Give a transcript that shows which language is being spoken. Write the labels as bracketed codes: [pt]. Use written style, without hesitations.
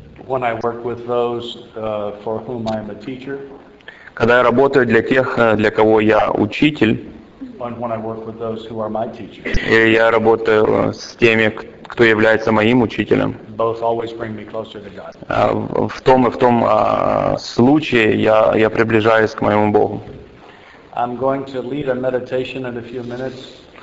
[en] When I work with those for whom I am a teacher. [ru] Когда я работаю для тех, для кого я учитель, [en] when I work with those who are my teachers, [ru] и я работаю с теми, кто является моим учителем, [en] both always bring me closer to God. [ru] В том и в том случае я приближаюсь к моему Богу. [en] I'm going to lead a meditation in a few minutes.